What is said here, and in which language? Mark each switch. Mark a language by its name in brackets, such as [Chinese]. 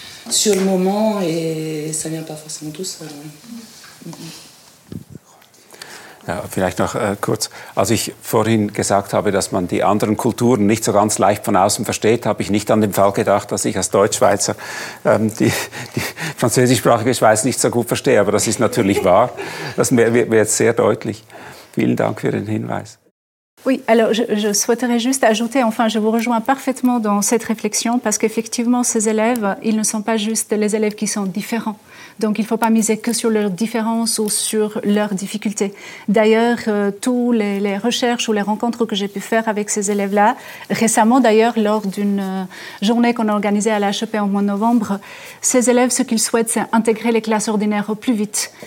[French] Sur le moment, et ça ne vient pas forcément tout seul. [German] Ja, vielleicht noch kurz. Als ich vorhin gesagt habe, dass man die anderen Kulturen nicht so ganz leicht von außen versteht, habe ich nicht an den Fall gedacht, dass ich als Deutschschweizer die französischsprachige Schweiz nicht so gut verstehe. Aber das ist natürlich wahr. Das wird jetzt sehr deutlich. Vielen Dank für den Hinweis. [French] Oui, alors je souhaiterais juste ajouter, enfin je vous rejoins parfaitement dans cette réflexion, parce qu'effectivement ces élèves, ils ne sont pas juste les élèves qui sont différents. Donc il ne faut pas miser que sur leurs différences ou sur leurs difficultés. D'ailleurs, toutes les recherches ou les rencontres que j'ai pu faire avec ces élèves-là, récemment d'ailleurs lors d'une journée qu'on a organisée à l'HEP en mois de novembre, ces élèves, ce qu'ils souhaitent, c'est intégrer les classes ordinaires au plus vite.